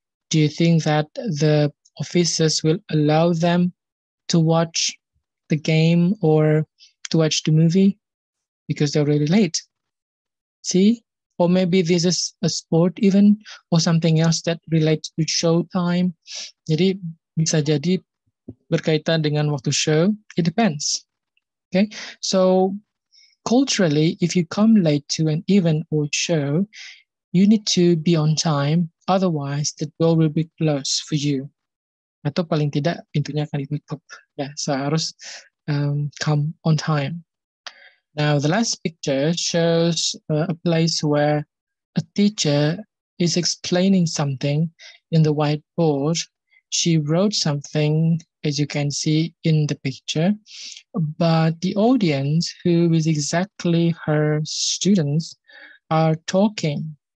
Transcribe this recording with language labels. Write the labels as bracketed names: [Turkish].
[English] Do you think that the officers will allow them to watch the game or to watch the movie because they're really late? See? Or maybe this is a sport even, or something else that relates to show time. [Indonesian] Jadi bisa jadi berkaitan dengan waktu show. [English] It depends. Okay. So culturally, if you come late to an event or show, you need to be on time. Otherwise, the door will be closed for you. [Indonesian] Atau paling tidak pintunya akan ditutup. [English] Ya, so [Indonesian] harus [English] come on time. Now, the last picture shows a place where a teacher is explaining something in the whiteboard. She wrote something, as you can see in the picture, but the audience, who is exactly her students, are talking.